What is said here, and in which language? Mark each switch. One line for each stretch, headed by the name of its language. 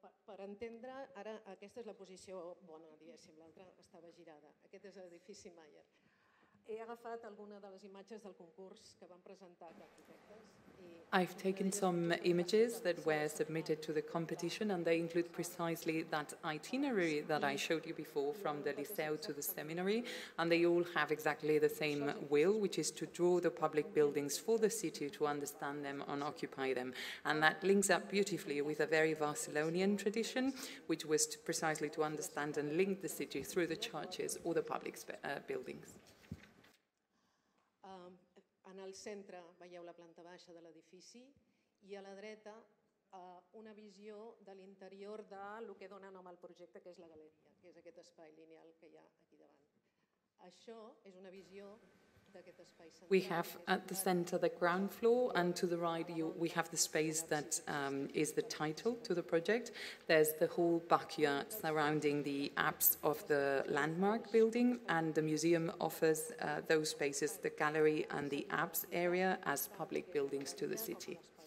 Catalan: Per entendre, ara aquesta és la posició bona, diguéssim, l'altra estava girada. Aquest és l'edifici Meyer. He agafat alguna de les imatges del concurs que van presentar els arquitectes.
English: I've taken some images that were submitted to the competition, and they include precisely that itinerary that I showed you before from the Liceu to the seminary, and they all have exactly the same will, which is to draw the public buildings for the city to understand them and occupy them. And that links up beautifully with a very Barcelonian tradition, which was precisely to understand and link the city through the churches or the public buildings.
Catalan: En el centre veieu la planta baixa de l'edifici i a la dreta una visió de l'interior de lo que dona nom al projecte, que és la galeria, que és aquest espai lineal que hi ha aquí davant. Això és una visió
English: We have at the center the ground floor, and to the right we have the space that is the title to the project. There's the whole backyard surrounding the apse of the landmark building, and the museum offers those spaces, the gallery and the apse area, as public buildings to the city.